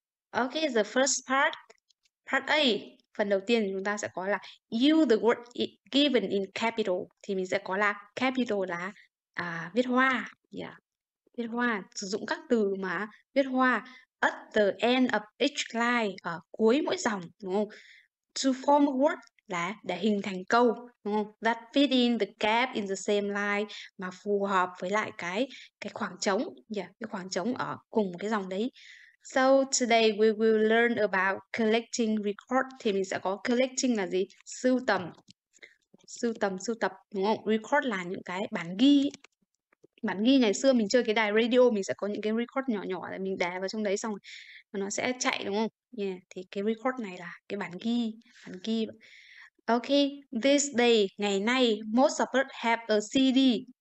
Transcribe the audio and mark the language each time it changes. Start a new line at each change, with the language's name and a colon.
English: Okay, the first part. Part A.
Vietnamese: Phần đầu tiên chúng ta sẽ có là
English: use the word given in capital,
Vietnamese: thì mình sẽ có là capital là viết hoa, viết hoa, sử dụng các từ mà viết hoa
English: at the end of each line,
Vietnamese: ở cuối mỗi dòng, đúng không?
English: To form a word
Vietnamese: là để hình thành câu, đúng không?
English: That fit in the gap in the same line,
Vietnamese: mà phù hợp với lại cái khoảng trống, cái khoảng trống ở cùng cái dòng đấy.
English: So today we will learn about collecting record.
Vietnamese: Thì mình sẽ có collecting là gì? Sưu tầm. Sưu tầm, sưu tập, đúng không? Record là những cái bản ghi. Bản ghi ngày xưa mình chơi cái đài radio, mình sẽ có những cái record nhỏ nhỏ là mình đè vào trong đấy xong rồi nó sẽ chạy, đúng không? Thì cái record này là cái bản ghi.
English: Okay, this day,
Vietnamese: ngày nay,
English: most of us have a CD.